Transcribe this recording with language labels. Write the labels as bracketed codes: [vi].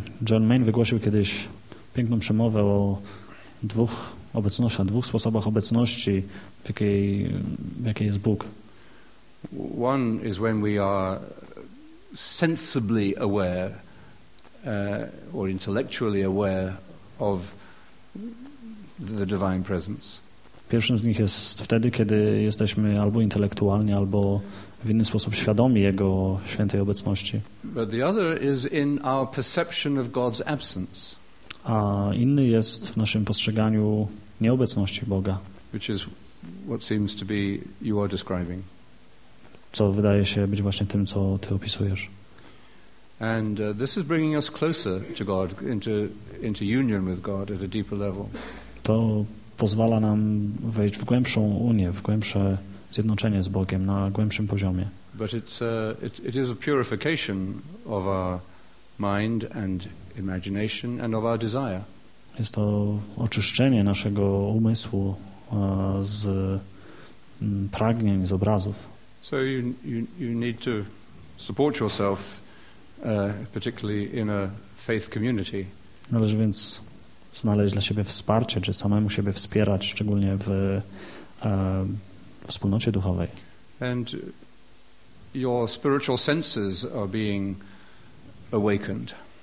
[pl] John Main wygłosił kiedyś piękną przemowę o dwóch obecnościach, dwóch sposobach obecności, w jakiej jest Bóg. [en] One is when we are sensibly aware or intellectually aware of the divine presence. [pl] Pierwszym z nich jest wtedy, kiedy jesteśmy albo intelektualni, albo w inny sposób świadomi Jego świętej obecności. [en] But the other is in our perception of God's absence. [pl] A inny jest w naszym postrzeganiu nieobecności Boga. [en] Which is what seems to be you are describing. [pl] Co wydaje się być właśnie tym, co ty opisujesz. [en] And this is bringing us closer to God, into union with God at a deeper level. [pl] To pozwala nam wejść w głębszą unię, w głębsze zjednoczenie z Bogiem na głębszym poziomie. [en] But it's it is a purification of our mind and imagination and of our desire. [pl] Jest to oczyszczenie naszego umysłu z pragnień, z obrazów. [en] So you need to support yourself particularly in a faith community. [pl] Należy więc znaleźć dla siebie wsparcie, czy samemu siebie wspierać, szczególnie w wspólnocie duchowej. [en] And your spiritual senses are being awakened.